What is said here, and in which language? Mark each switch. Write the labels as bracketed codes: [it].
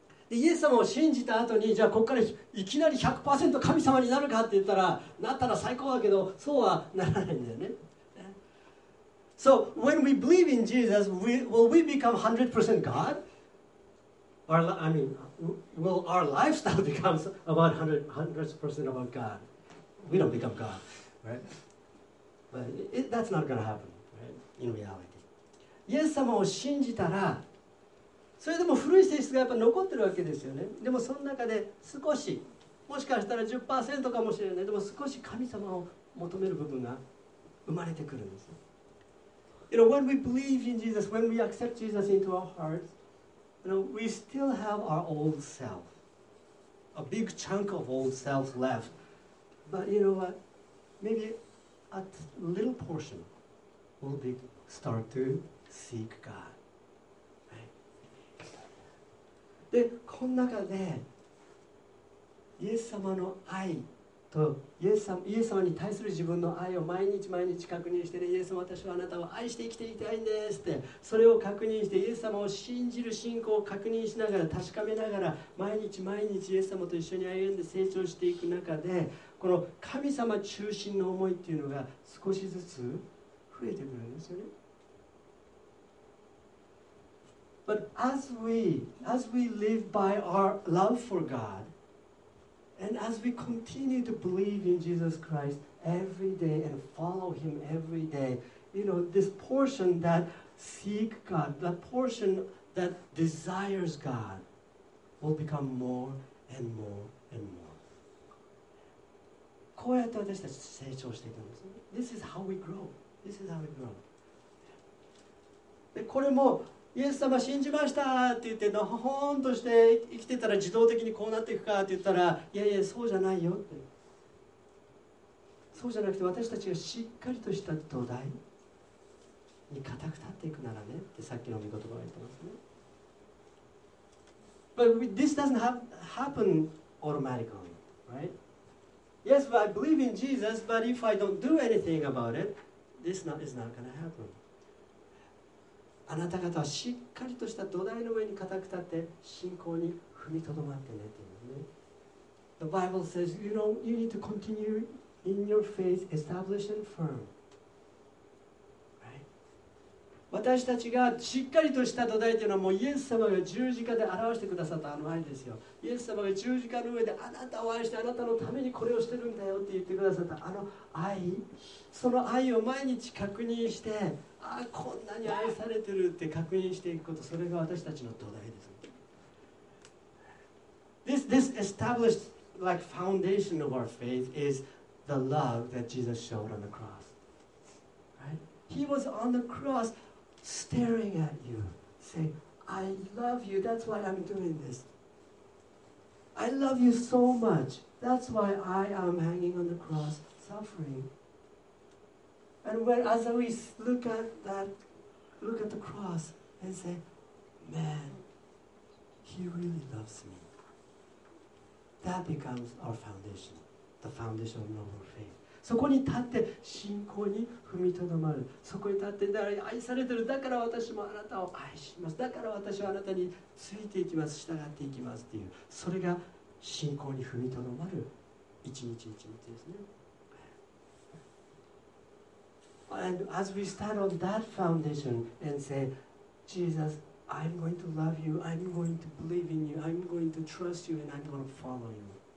[ja] でイエス様を信じた後に、じゃあここからいきなり 100% 神様になるかって言ったら、なったら最高だけど、そうはならないんだよね。 [en] So, when we believe in Jesus, will we become 100% God? Or, I mean, will our lifestyle become about 100% about God? We don't become God, right? But that's not going to happen, right? In reality. [ja] イエス様を信じたら、それでも古い性質がやっぱ残ってるわけですよね。でもその中で少し、もしかしたら 10% かもしれない、でも少し神様を求める部分が生まれてくるんです。 [en] You know, when we believe in Jesus, when we accept Jesus into our hearts, you know, we still have our old self. A big chunk of old self left. But you know what? Maybe a little portion will be start to seek God. [ja] で、この中でイエス様の愛とイエス様に対する自分の愛を毎日毎日確認して、ね、イエス様、私はあなたを愛して生きていたいんですって、それを確認して、イエス様を信じる信仰を確認しながら、確かめながら、毎日毎日イエス様と一緒に歩んで成長していく中で、この神様中心の思いっていうのが少しずつ増えてくるんですよね。 [en] But as we live by our love for God, and as we continue to believe in Jesus Christ every day and follow Him every day, you know, this portion that seek God, that portion that desires God, will become more and more and more. [ja] こうやって私たち成長していくんです。 [en] This is how we grow. This is how we grow. [ja] で、これもイエス様信じましたって言ってのほほんとして生きてたら自動的にこうなっていくかって言ったら、いやいや、そうじゃないよって。そうじゃなくて、私たちがしっかりとした土台、に固く立っていくならねってさっきの御言葉が言ってますね。 [en] But we, this doesn't happen automatically, right? Yes, but I believe in Jesus, but if I don't do anything about it, this is not going to happen. [ja] あなた方はしっかりとした土台の上に固く立って信仰に踏みとどまってねって言うのね。 [en] The Bible says, you know, you need to continue in your faith, establish and firm. [ja] 私たちがしっかりとした土台というのはもうイエス様が十字架で表してくださったあの愛ですよ。イエス様が十字架の上であなたを愛してあなたのためにこれをしてるんだよって言ってくださったあの愛、その愛を毎日確認して、ああこんなに愛されてるって確認していくこと、それが私たちの土台です。 [en] This established like foundation of our faith is the love that Jesus showed on the cross. Right? He was on the crossstaring at you, saying, I love you, that's why I'm doing this. I love you so much, that's why I am hanging on the cross, suffering. And when, as we look at that, look at the cross and say, man, he really loves me. That becomes our foundation, the foundation of noble faith. [ja] そこに立って信仰に踏みとどまる。そこに立って、だから愛されてる。だから私もあなたを愛します。だから私はあなたについていきます。従っていきますっていう。それが信仰に踏みとどまる一日一日ですね。 [en] And as we stand on that foundation and say, Jesus, I'm going to love you. I'm going to believe in you. I'm going to trust you and I'm going to follow you.